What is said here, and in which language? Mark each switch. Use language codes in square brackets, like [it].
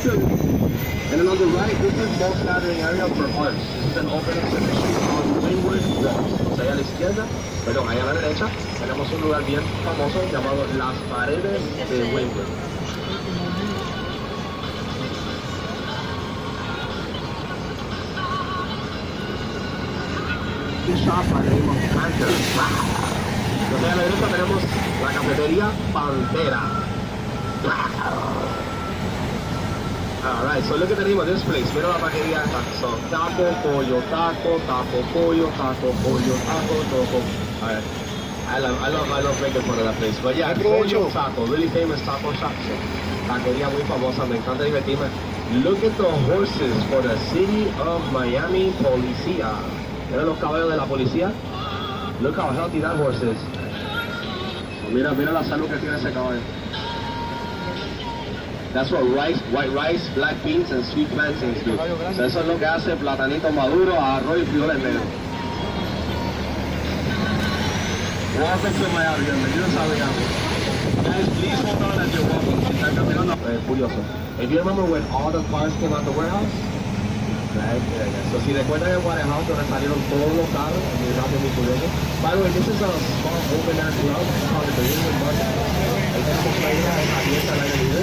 [en] And then on the right, this is the most gathering area for arts. This is an open exhibition on Greenwood Rock. [es] So ahí a la izquierda, perdón, ahí a la derecha, tenemos un lugar bien famoso llamado Las Paredes de Greenwood. [en] Shop by the name of Panther. Wow. [es] Entonces a la derecha tenemos la cafetería Pantera. [en] Wow. Alright, so look at the name of this place. [es] Mira la paquería acá. So, taco, pollo, taco, taco, pollo, taco, pollo, taco, taco. Alright. [en] I love making fun of that place. But yeah, [es] pollo taco, [en] really famous taco shop. [es] So, taquería muy famosa, me encanta divertirme. [en] Look at the horses for the City of Miami Policía. [es] Mira los caballos de la policía. [en] Look how healthy that horse is. [es] Mira la salud que tiene ese caballo. [en] That's what rice, white rice, black beans, and sweet plantains do. [es] So eso es lo que hace platanito maduro, arroz y frijoles negros. [en] Welcome to Miami. [es] Bienvenidos a Miami. [en] Guys, please hold on as you're walking. [es] Están caminando. Curioso. [en] If you remember when all the cars came out the warehouse, [es] so, si recuerdan el Guarejao, donde salieron todos los carros, en el caso de mi curioso. [en] By the way, this is a small open air club, it's called the Union Market. [es] El que se encuentra es abierta al aire libre.